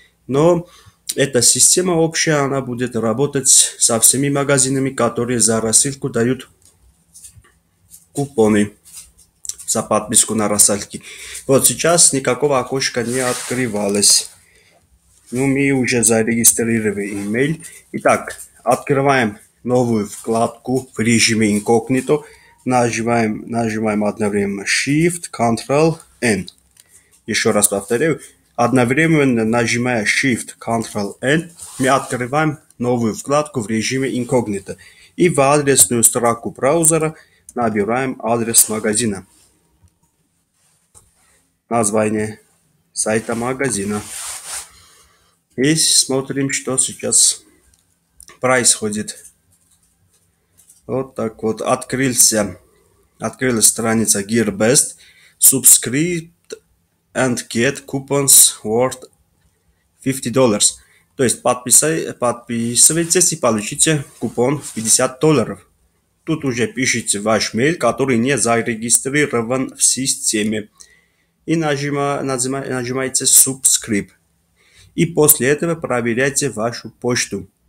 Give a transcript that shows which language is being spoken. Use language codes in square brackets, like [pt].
[ru] Но эта система общая, она будет работать со всеми магазинами, которые за рассылку дают купоны. За подписку на рассылки. Вот сейчас никакого окошка не открывалось. Ну, мы уже зарегистрировали email. Итак, открываем новую вкладку в режиме incognito. Нажимаем одновременно Shift, Ctrl, N. Еще раз повторяю. Одновременно нажимая Shift, Ctrl, N, мы открываем новую вкладку в режиме incognito. И в адресную строку браузера набираем адрес магазина. Название сайта магазина. И смотрим, что сейчас происходит. Вот так вот. Открылась страница GearBest. [en] Subscribe and get coupons worth $50. [ru] То есть подписывайтесь и получите купон в $50. Тут уже пишите ваш мейл, который не зарегистрирован в системе. И нажимаете subscribe. И после этого проверяйте вашу почту.